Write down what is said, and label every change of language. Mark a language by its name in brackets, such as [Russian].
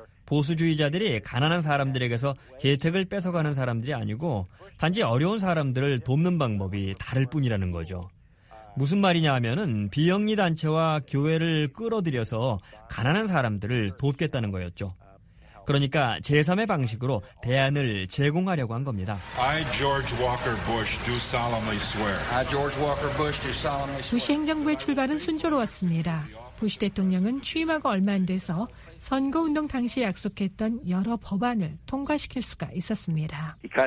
[Korean] 보수주의자들이 가난한 사람들에게서 혜택을 뺏어가는 사람들이 아니고 단지 어려운 사람들을 돕는 방법이 다를 뿐이라는 거죠. 무슨 말이냐 하면은 비영리 단체와 교회를 끌어들여서 가난한 사람들을 돕겠다는 거였죠. 그러니까 제3의 방식으로 대안을 제공하려고 한 겁니다. [English] I, George Walker Bush, do solemnly swear. I, George Walker Bush, do solemnly swear. [Korean] 부시 행정부의 출발은 순조로웠습니다. 부시 대통령은 취임하고 얼마 안 돼서 선거운동 당시에 약속했던 여러 법안을 통과시킬 수가 있었습니다.